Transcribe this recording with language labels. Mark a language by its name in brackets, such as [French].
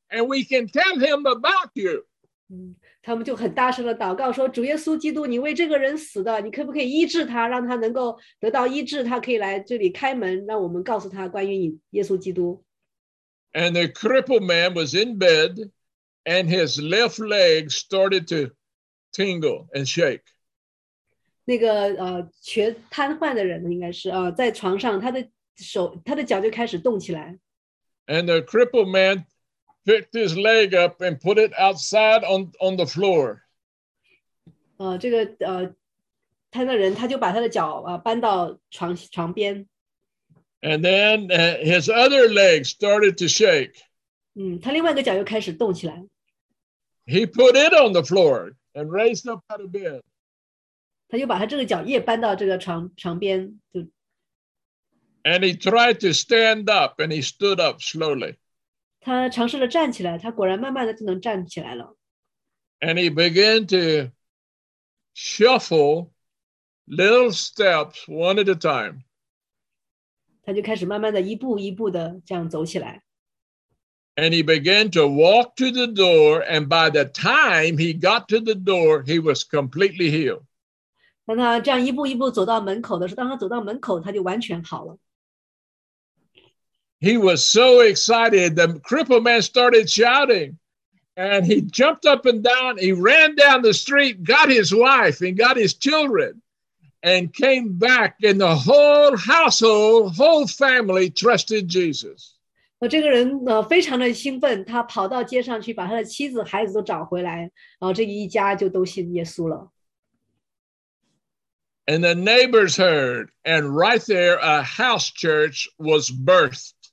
[English] And we can tell him about you." [Chinese] 他们就很大声的祷告说，主耶稣基督，你为这个人死的，你可不可以医治他，让他能够得到医治，他可以来这里开门，让我们告诉他关于你耶稣基督。 [English] And the crippled man was in bed, and his left leg started to tingle and shake. [Chinese] 那个瘸瘫痪的人应该是在床上，他的脚就开始动起来。 [English] And the crippled man picked his leg up and put it outside on the floor. [Chinese] 这个瘫的人他就把他的脚搬到床边。 [English] And then his other leg started to shake. [Chinese] 他另外一个脚又开始动起来。 [English] He put it on the floor and raised up out of bed. [Chinese] 他又把他这个脚也搬到这个床边就。 [English] And he tried to stand up and he stood up slowly. [Chinese] 他尝试着站起来，他果然慢慢的就能站起来了。 [English] And he began to shuffle little steps one at a time. [Chinese] 他就开始慢慢的一步一步的这样走起来。 [English] And he began to walk to the door, and by the time he got to the door, he was completely healed. [Chinese] 当他这样一步一步走到门口的时候，当他走到门口，他就完全好了。 [English] He was so excited, the crippled man started shouting, and he jumped up and down, he ran down the street, got his wife and got his children, and came back, and the whole household, whole family trusted Jesus. [Chinese] 这个人非常的兴奋，他跑到街上去，把他的妻子、孩子都找回来，然后这一家就都信耶稣了。 [English] And the neighbors heard, and right there a house church was birthed.